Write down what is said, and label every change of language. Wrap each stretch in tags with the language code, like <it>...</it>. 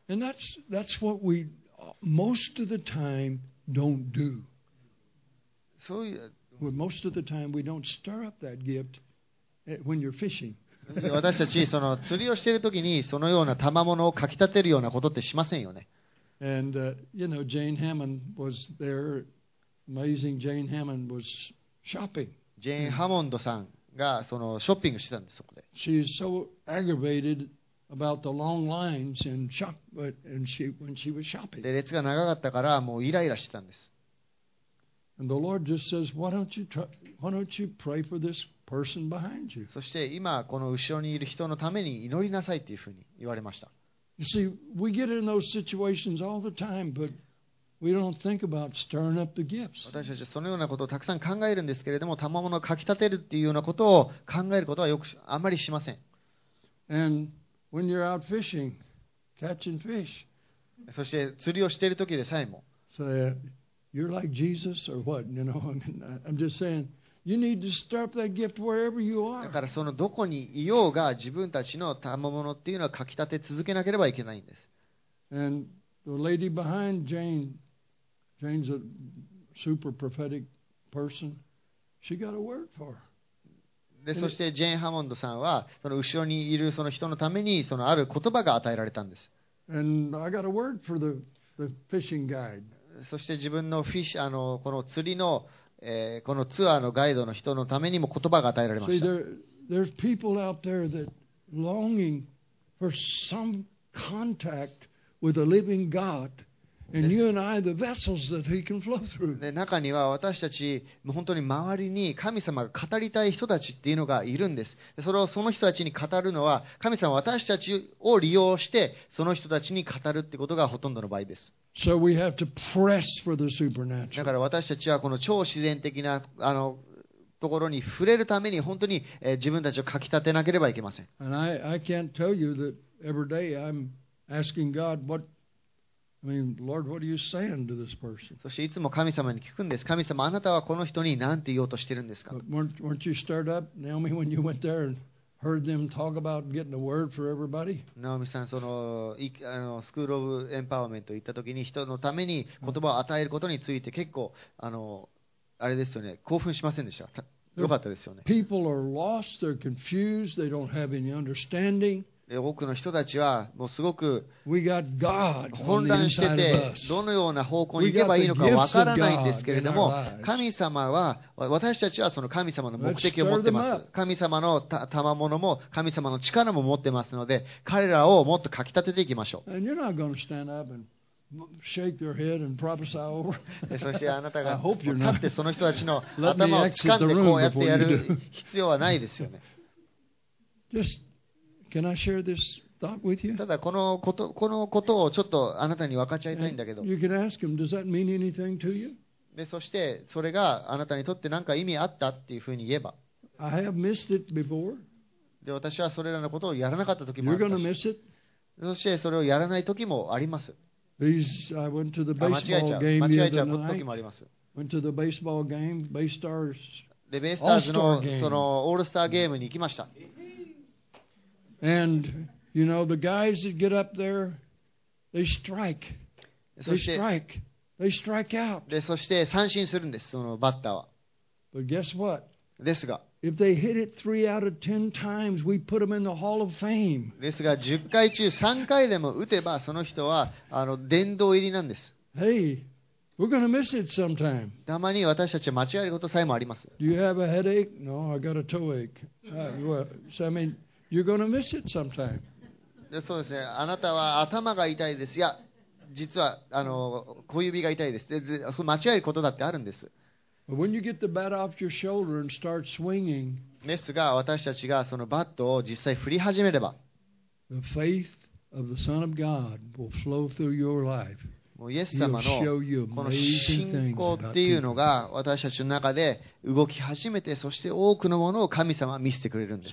<en>And that's what we most of the time don't do.</en> <ja>そういう、</ja> <en>well, most of the time we don't stir up that gift when you're fishing.</en> <ja>私たちその釣りをしているときに、そのような賜物をかきたてるようなことってしませんよね。</ja> <en>And, you know, Jane Hammond was there. Amazing Jane Hammond was shopping.</en> <ja>ジェーン・ハモンドさんがそのショッピングしてたんです、そこで。</ja> <en>She is so aggravated about the long lines and shop, but and she, when she was shopping.</en> <ja>で、列が長かったからもうイライラしてたんです。</ja> <en>And the Lord just says, why don't you pray for this? Person behind you.</en> <ja>そして今この後ろにいる人のために祈りなさいっていうふうに言われました。私たちはそのようなことをたくさん考えるんですけれども、賜物をかきたてるっていうようなことを考えることはよくあまりしません。</ja> <en>And when you're out fishing, catching fish.</en> <ja>そして釣りをしている時でさえも。</ja> <en>So, you're like Jesus or what? You know, I'm just saying. You need to stir up that gift wherever you are.</en> <ja>だからそのどこにいようが、自分たちの賜物っていうのはかきたて続けなければいけないんです。</ja> <en>And the lady behind Jane, Jane's a super prophetic person. She got a word for her.</en> <ja>で、そしてジェーン・ハモンドさんは、その後ろにいるその人のためにそのある言葉が与えられたんです。</ja> <en>And I got a word for the fishing guide.</en> <ja>そして自分のフィッシュ、この釣りのこのツアーのガイドの人のためにも言葉が与えられました。</ja> <en>See, there, And you and I, the vessels that he can flow through.</en> <ja>で、中には私たち、もう本当に周りに神様が語りたい人たちっていうのがいるんです。で、それをその人たちに語るのは、神様は私たちを利用して、その人たちに語るってことがほとんどの場合です。</ja> <en>So we have to press for the supernatural.</en> <ja>だから私たちはこの超自然的なところに触れるために、本当に自分たちをかきたてなければいけません。</ja> <en>And I can't tell you that every day I'm asking God what. I mean, Lord, what are you saying to this person?</en> <ja>そしていつも神様に聞くんです。神様、あなたはこの人に何て言おうとしてるんですか？</ja> <en>Weren't you stirred up, Naomi, when you went there and heard them talk about getting a word for everybody?</en> <ja>Naomi さん、そのスクールオブエンパワーメント行った時に人のために言葉を与えることについて結構あれですよね、興奮しませんでした？よかったですよね。</ja> <en>People are lost, they're confused, they don't have any understanding.</en> <ja>多くの人たちはもうすごく混乱してて、どのような方向に行けばいいのかわからないんですけれども、神様は、私たちはその神様の目的を持ってます。神様の賜物も神様の力も持ってますので、彼らをもっとかきたてていきましょう。</ja> <en>Shake their head and prophesy over.</en> <ja>そしてあなたが立ってその人たちの頭を掴んでこうやってやる必要はないですよね。</ja> <en>Can I share this thought with you?</en> <ja>ただこのことをちょっとあなたに分かち合いたいんだけど。</ja> <en>You can ask him, does that mean anything to you?</en> <ja>で、そしてそれがあなたにとって何か意味あったっていうふうに言えば。</ja> <en>I have missed it before.</en> <ja>で、私はそれらのことをやらなかった時もあります</ja> <en>。 You're gonna miss it.</en> <ja>そしてそれをやらない時もあります。</ja> <en>I went to the baseball game.</en> <ja>間違えちゃう時もあります。</ja> <en>Went to the baseball game, Baystars.</en> <ja>で、ベイスターズのそのオールスターゲームに行きました。</ja> <en>And you know the guys that get up there, they strike, they strike out.</en> <ja>で、そして三振するんです、そのバッターは。</ja> <en>But guess what?</en> <ja>ですが、</ja> <en>if they hit it 3 out of 10 times, we put them in the Hall of Fame.</en> <ja>ですが、10回中3回でも打てば、その人は殿堂入りなんです。</ja> <en>Hey, we're gonna miss it sometime.</en> <ja>たまに私たち間違えることさえもあります。</ja> <en>Do you have a headache? No, I got a toeache. You're gonna miss it sometime.</en> <ja>で、そうですね。あなたは頭が痛いです。いや、実は小指が痛いです。で、そう間違えることだってあるんです。</ja> <en>When you get the bat off your shoulder and start swinging,</en> <ja>ですが、私たちがそのバットを実際振り始めれば、</ja> <en>the faith of the Son of God will flow through your life.</en> <ja>もうイエス様のこの信仰っていうのが私たちの中で動き始めて、そして多くのものを神様は見せてくれるんです。</ja>